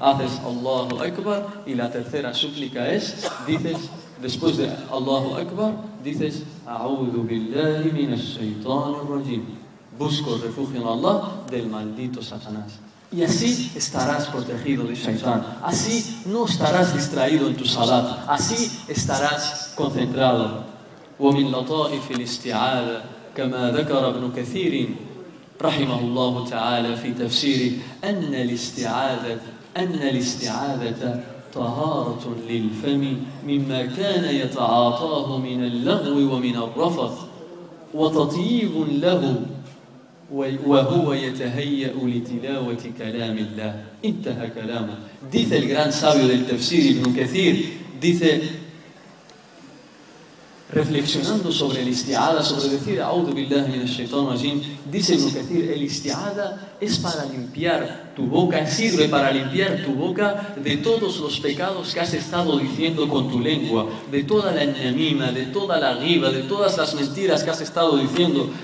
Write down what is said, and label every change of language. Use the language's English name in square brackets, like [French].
[Spanish] Haces Allahu Akbar y la tercera súplica es, dices, después de Allahu Akbar, dices A'udhu billahi minash shaitanir rajim. Busco refugio en Allah del maldito Satanás. Y así estarás protegido de Shaitán. Así no estarás distraído en tu salat. Así estarás concentrado. [Arabic] وَمِنْ لَطَائِفِ الْإِسْتِعَادَ كَمَا ذَكَرَ ابْنُ كَثِيرٍ رحمه الله تعالى في تفسيره أن الاستعاذة طهارة للفم مما كان يتعاطاه من اللغو ومن الرفث وتطيب له وهو يتهيأ لتلاوة كلام الله. انتهى كلامه. [Spanish] Dice el gran sabio del tafsir Ibn Kathir, dice, reflexionando sobre el isti'ada, sobre decir A'udhu billahi minash shaitanir rajim, dice Ibn Kathir, el isti'ada es para limpiar tu boca, sirve para limpiar tu boca de todos los pecados que has estado diciendo con tu lengua, de toda la namima, de toda la ghiba, de todas las mentiras que has estado diciendo,